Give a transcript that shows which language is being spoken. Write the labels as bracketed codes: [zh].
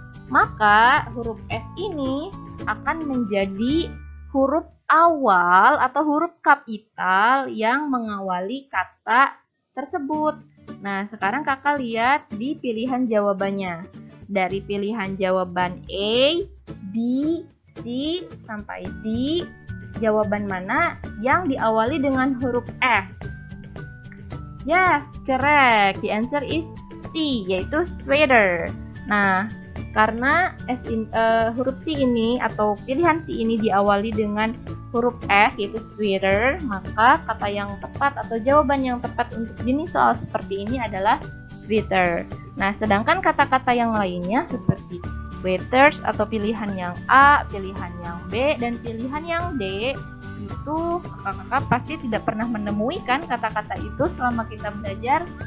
[id] Maka, huruf S ini akan menjadi huruf awal atau huruf kapital yang mengawali kata tersebut. Nah, sekarang kakak lihat di pilihan jawabannya. Dari pilihan jawaban A, B, C, sampai D, jawaban mana yang diawali dengan huruf S? [en] Yes, correct. The answer is C, [id] yaitu [en] sweater. [id] Nah, karena huruf C ini atau pilihan C ini diawali dengan huruf S, yaitu sweater, maka kata yang tepat atau jawaban yang tepat untuk jenis soal seperti ini adalah sweater. Nah, sedangkan kata-kata yang lainnya seperti waiters atau pilihan yang A, pilihan yang B, dan pilihan yang D, itu kakak-kakak pasti tidak pernah menemui kan kata-kata itu selama kita belajar.